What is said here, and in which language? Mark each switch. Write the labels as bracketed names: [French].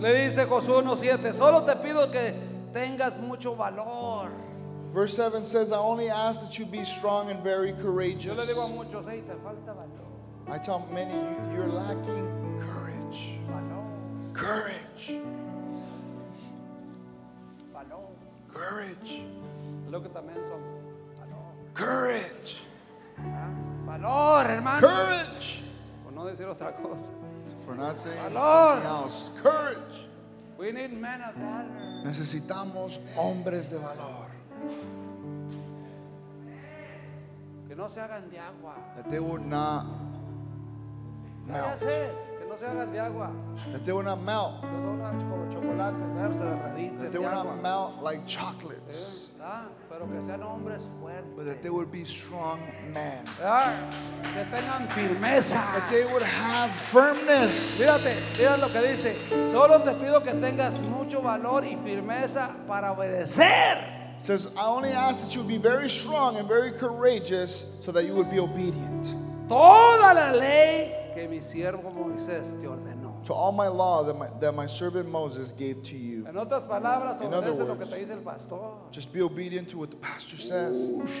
[Spanish] Le dice Josué 1:7, solo te pido que tengas mucho valor. [English] Verse 7 says, I only ask that you be strong and very courageous. [Spanish] Yo le digo a muchos, hey, te falta valor. [English] I tell many, you're lacking courage. [Spanish] Valor. [English] Courage. [Spanish] Valor. [English] Courage. Look at the men's valor. Courage. [Spanish] Valor, hermano. [English] Courage. [Spanish] Por no decir otra cosa. [English] For not saying [Spanish] valor. [English] Anything else. Courage. We need men of valor. [Spanish] Necesitamos hombres de valor. Que no se hagan de agua. [English] That they would not melt. [Spanish] Que no se hagan de agua. [English] That they would not melt. [Spanish] Como chocolate, [English] that they would not melt like chocolates. [Spanish] Pero que sean hombres [English] fuertes. But that they would be strong men. [Spanish] Que tengan firmeza. [English] That they would have firmness. [Spanish] Fíjate, mira lo que dice. Solo te pido que tengas mucho valor y firmeza para obedecer. [English] Says, I only ask that you be very strong and very courageous so that you would be obedient. [Spanish] Toda la ley que mi siervo Moisés te ordenó. [English] To all my law that my servant Moses gave to you. [Spanish] En otras palabras, [English] in other words, [Spanish] lo que te dice el pastor. [English] Just be obedient to what the pastor says.